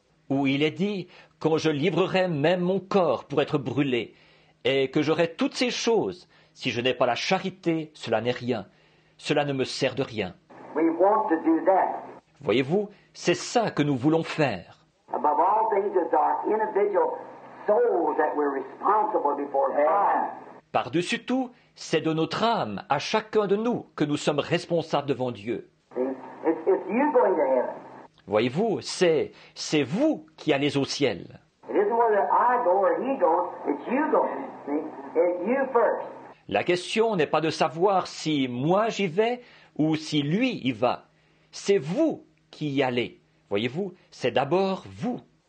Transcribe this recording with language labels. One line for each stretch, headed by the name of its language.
French: Où il est dit, « Quand je livrerai même mon corps pour être brûlé, et que j'aurai toutes ces choses, si je n'ai pas la charité, cela n'est rien. » Cela ne me sert de rien.
English: We want to do that.
French: Voyez-vous, c'est ça que nous voulons faire.
English: Above all things, it's our individual souls that we're responsible before God.
French: Par-dessus tout, c'est de notre âme, à chacun de nous, que nous sommes responsables devant Dieu.
English: It's you going to heaven.
French: Voyez-vous, c'est vous qui allez au ciel.
English: It isn't whether I go or he goes, it's you going. See? It's you first.
French: La question n'est pas de savoir si moi j'y vais ou si lui y va. C'est vous qui y allez. Voyez-vous, c'est d'abord vous.